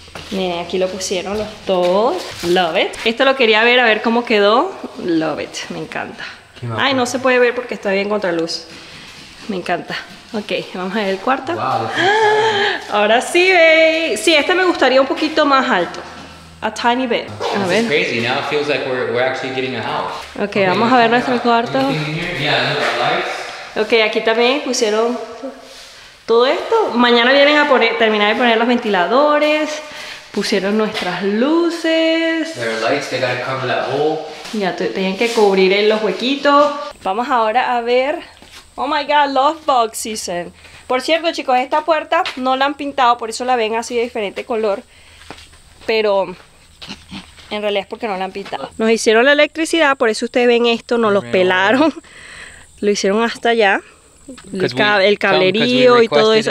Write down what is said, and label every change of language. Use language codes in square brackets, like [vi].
[es] Miren, aquí lo pusieron los dos. [en] Love it. [es] Esto lo quería ver, a ver cómo quedó. [en] Love it, [es] me encanta. Ay, no se puede ver porque está bien contraluz. Me encanta. Ok, vamos a ver el cuarto. Wow, ahora sí, babe. Sí, este me gustaría un poquito más alto. [en] A tiny bit. [es] A ver. [en] This is crazy. Now it feels like we're actually getting a house. [es] Okay, vamos a ver nuestro cuarto. [en] Yeah, look at the lights. [es] Okay, aquí también pusieron todo esto. Mañana vienen a poner, terminar de poner los ventiladores. Pusieron nuestras luces. [en] There are lights. They gotta cover that hole. [es] Ya, tienen que cubrir los huequitos. Vamos ahora a ver. [en] Oh my god, love box season. [es] Por cierto, chicos, esta puerta no la han pintado, por eso la ven así de diferente color. Pero en realidad es porque no la han pintado. Nos hicieron la electricidad, por eso ustedes ven esto, nos los pelaron. Lo hicieron hasta allá. El cablerío y todo eso.